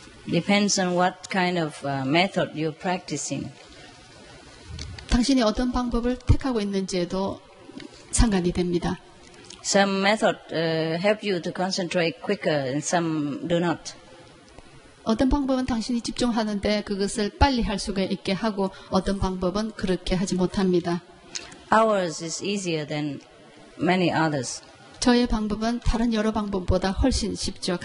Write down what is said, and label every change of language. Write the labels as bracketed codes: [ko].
[en] Depends on what kind of method you're practicing. [ko] 당신이 어떤 방법을 택하고 있는지에도 상관이 됩니다. [en] Some method help you to concentrate quicker and some do not. [ko] 어떤 방법은 당신이 집중하는데 그것을 빨리 할 수가 있게 하고 어떤 방법은 그렇게 하지 못합니다. [en] Ours is easier than many others. [ko] 저의 방법은 다른 여러 방법보다 훨씬 쉽죠.